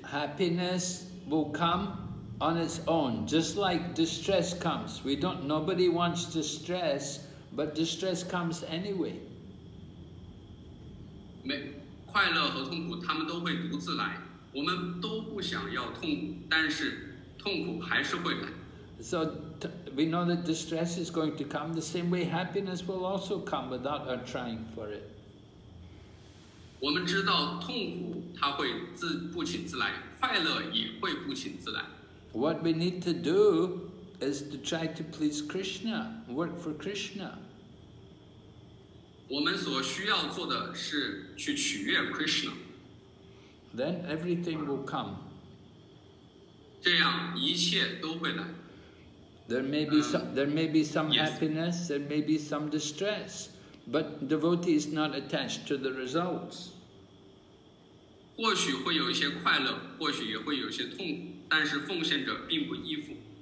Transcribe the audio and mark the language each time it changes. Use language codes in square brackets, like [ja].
[en] Happiness will come on its own, just like distress comes. Nobody wants distress, but distress comes anyway. [zh] 快乐和痛苦他们都会独自来我们都不想要痛苦但是痛苦还是会来 [en] So we know that distress is going to come the same way happiness will also come without our trying for it [zh] 我们知道痛苦它会不请自来快乐也会不请自来 [en] What we need to do is to try to please Krishna work for Krishna [zh] 我们所需要做的是去取悦 Krishna [en] then everything will come [zh] 这样一切都会来 [en] there may be some yes. happiness there may be some distress but devotee is not attached to the results [zh] 或许会有一些快乐或许也会有一些痛苦但是奉献者并不依附